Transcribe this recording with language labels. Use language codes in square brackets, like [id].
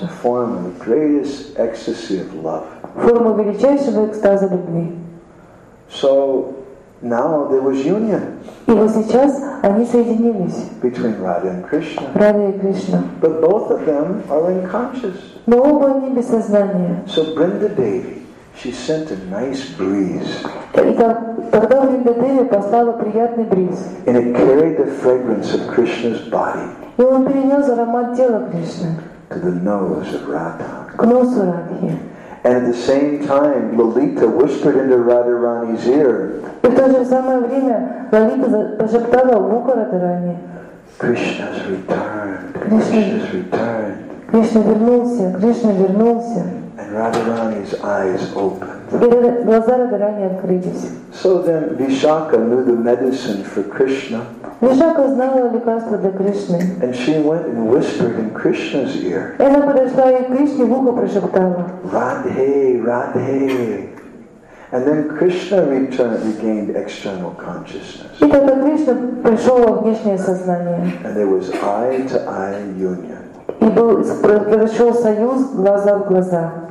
[en] The form of the greatest ecstasy of love. [ru] Форма величайшего экстаза любви. [en] So now there was union. [ru] И вот сейчас они соединились. [en] Between Radha and Krishna. [ru] Radha и Кришна. [en] But both of them are unconscious. [ru] Но оба они без сознания. [en] So Vrindadevi, she sent a nice breeze. [ru] Тогда Вриндадеви послала приятный бриз. [en] And it carried the fragrance of Krishna's body. [ru] И он перенес аромат тела Кришны. [en] To the nose of Radha. [ru] К носу Радхи. [en] And at the same time, Lalita whispered into Radharani's ear. [ru] В то же самое время Лалита прошептала в ухо Радхарани. [en] Krishna's returned. Krishna's returned. [ru] Кришна вернулся. Кришна вернулся. [en] And Radharani's eyes opened. [ru] И глаза Радхарани открылись. [en] So then Vishakha knew the medicine for Krishna. [ru] Вишака знала лекарство для Кришны. [en] And she went and whispered in Krishna's ear. [ru] И она подошла и Кришне в ухо прошептала. [en] Radhe, Radhe. And then Krishna regained external consciousness. [ru] И тогда Кришна пришел во внешнее сознание. [en] And there was eye-to-eye union. [ru] И произошел союз глаза в глаза.